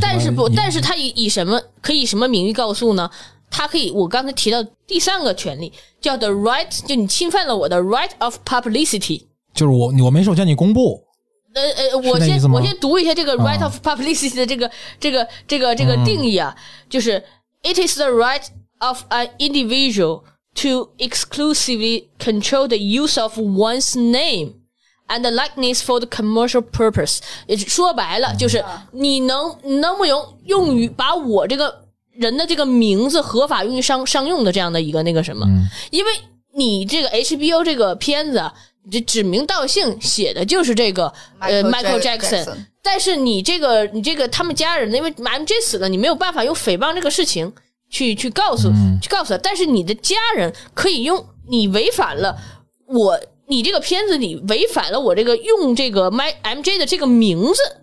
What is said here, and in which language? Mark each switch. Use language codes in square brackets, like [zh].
[zh] 但是他以什么可以什么名义告诉呢？他可以，我刚才提到第三个权利叫 the right， 就你侵犯了我的 right of publicity，就是我没授权你公布。我先读一下这个 right of publicity 的这个定义啊，嗯，就是 [en] it is the right of an individual to exclusively control the use of one's name and the likeness for the commercial purpose。 [zh] 也说白了，嗯，就是你能不能用于把我这个。人的这个名字合法用于商用的这样的一个那个什么，嗯，因为你这个 HBO 这个片子这指名道姓写的就是这个 Michael Jackson，但是你这个他们家人因为 MJ 死了，你没有办法用诽谤这个事情去告诉他，但是你的家人可以用你违反了我你这个片子你违反了我这个用这个 MJ 的这个名字，